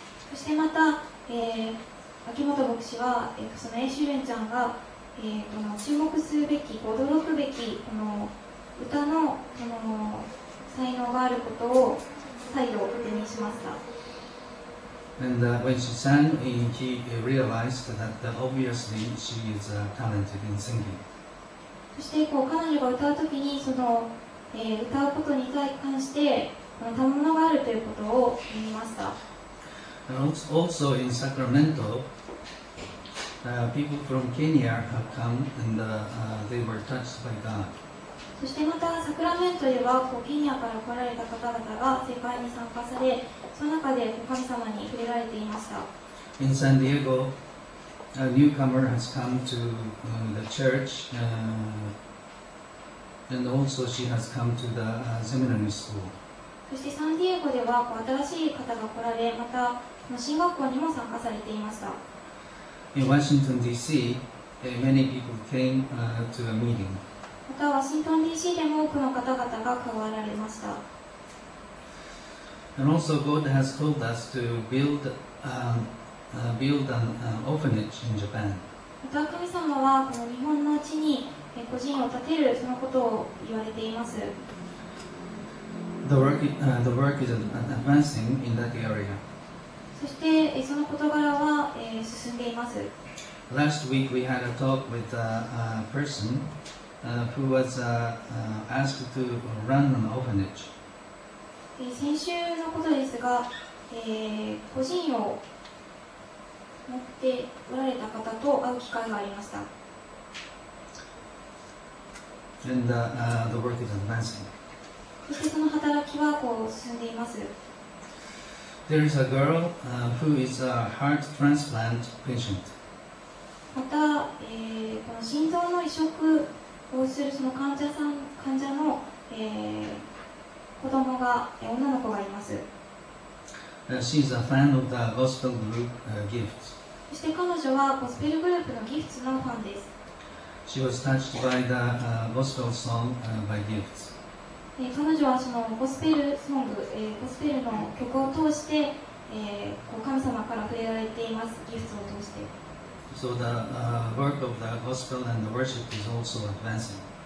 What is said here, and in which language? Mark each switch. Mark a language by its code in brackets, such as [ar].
[ja] そしてまた、秋元牧師は、そのエシュレンちゃんが、この注目するべき、驚くべきこの歌のこの才能があることを再度確認しました。 [en] And when she sang, he realized that obviously she is talented in singing. [ja] そしてこう彼女が歌うときにその、歌うことに関して賜物があるということを見ました。 [en] Also in Sacramento, people from Kenya have come and they were touched by God. [ja] そしてまたサクラメントではこうケニアから来られた方々が世界に参加され。その中で神様に触れられていました。 [en] In San Diego, a newcomer has come to the church, and also she has come to the seminary school. [ja] そしてサンディエゴでは新しい方が来られ、また神学校にも参加されていました。 [en] In Washington D.C., many people came to a meeting. [ja] またワシントン D.C. でも多くの方々が加わられました。 [en] And also God has called us to build, build an orphanage in Japan. [ja] また神様はこの日本の地に孤児院を建てるそのことを言われています。 [en] The work is advancing in that area. [ja] そしてその事柄は進んでいます。 [en] Last week we had a talk with a person who was asked to run an orphanage. [ja] 先週のことですが、個人を持っておられた方と会う機会がありました。 [en] And the work is advancing. [ja] そしてその働きはこう進んでいます。 [en] There is a girl, who is a heart transplant patient. [ja] また、この心臓の移植をするその患者さん、患者の、子供が、女の子がいます。 [en] She is a fan of the gospel group, gifts. [ja] そして彼女はゴスペルグループのギフツのファンです。 [en] She was touched by the, gospel song, by gifts. [ja] 彼女はそのゴスペルソング、ゴスペルの曲を通して、こう神様から触れられています。ギフトを通して。 [en] So the, work of the gospel and the worship is also advancing.